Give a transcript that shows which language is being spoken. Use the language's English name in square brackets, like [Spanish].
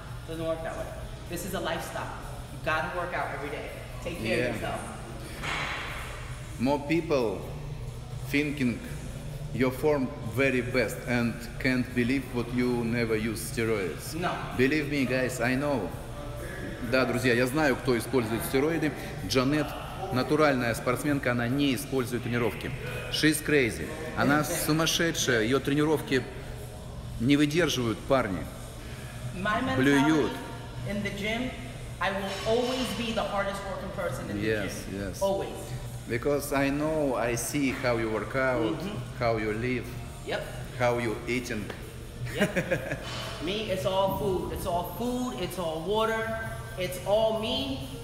[English] Doesn't work that way. This is a lifestyle. You gotta work out every day. Take care of yourself. More people thinking your form very best and can't believe what you never use steroids. No. Believe me, guys, I know. [Russian] Да, друзья, я знаю, кто использует стероиды. Джанет натуральная спортсменка, она не использует тренировки. [English] She's crazy. [Russian] Она сумасшедшая. Ее тренировки не выдерживают парни. Блюют. [English] In the gym, I will always be the hardest working person in the yes, gym. Yes. Always. Because I know, I see how you work out, mm-hmm. how you live, yep. how you eating. Yep. Me, it's all food. It's all food, it's all water, it's all me.